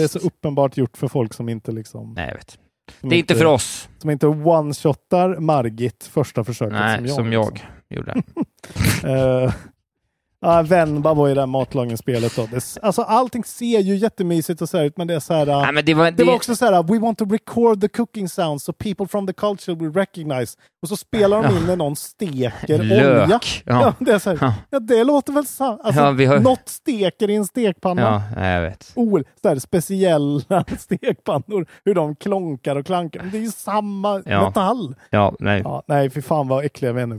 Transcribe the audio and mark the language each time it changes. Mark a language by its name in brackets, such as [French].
[Swedish] Ja, det är så uppenbart gjort för folk som inte liksom... Nej, jag vet. Det är inte för oss. Som inte one-shotar Margit första försöket. Nej, som jag gjorde. Venba var ju det där matlagen spelet. Alltså, allting ser ju jättemysigt och så här ut, men det är så här... Nej, men det var också så här, [English] we want to record the cooking sounds so people from the culture will recognize. [Swedish] Och så spelar de in när någon steker lök. Olja. Ja, det är så här, ja, det låter väl så. Alltså, ja, har... Något steker i en stekpanna. Ja, jag vet. Så här, speciella stekpannor, hur de klonkar och klankar. Men det är ju samma metall. Ja, nej. Ja, nej, för fan vad äckliga vänner.